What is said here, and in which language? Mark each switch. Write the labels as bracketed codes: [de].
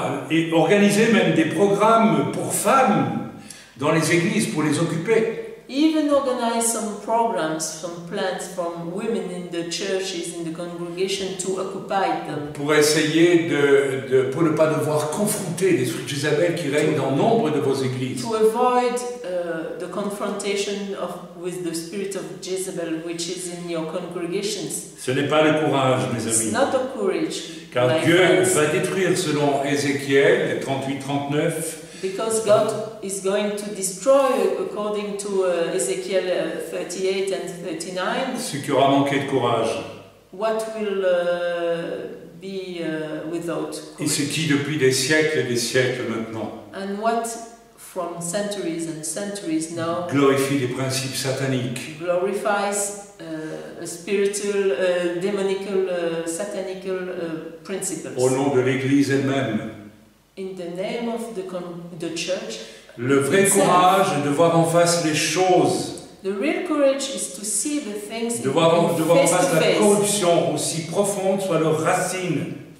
[fr] Et organiser même des programmes pour femmes dans les églises pour les occuper. [en] Even organize some programs, some plans from women in the churches, in the congregation to occupy them. [fr] Pour essayer de pour ne pas devoir confronter l'esprit de Jézabel qui règne dans nombre de vos églises. [en] To avoid the confrontation with the spirit of Jezebel which is in your congregations. [fr] Ce n'est pas le courage, mes amis. [en] It's not the courage. [fr] Car Dieu [en] friends. [fr] Va détruire selon Ézéchiel 38-39. [en] Because God is going to destroy, according to Ezekiel 38 and 39, [fr] ce qui aura manqué de courage. [en] What will be without courage. [fr] Et ce qui depuis des siècles et des siècles maintenant. [en] And what from centuries and centuries now. [fr] Glorifie les principes sataniques. [en] Glorifies a spiritual, demonical, satanical principles. [fr] Au nom de l'Église elle-même. [en] In the name of the church [fr] Le vrai courage est de voir en face les choses. [en] The real courage is to see the things [fr] de voir en face la corruption, aussi profonde soit leur racine.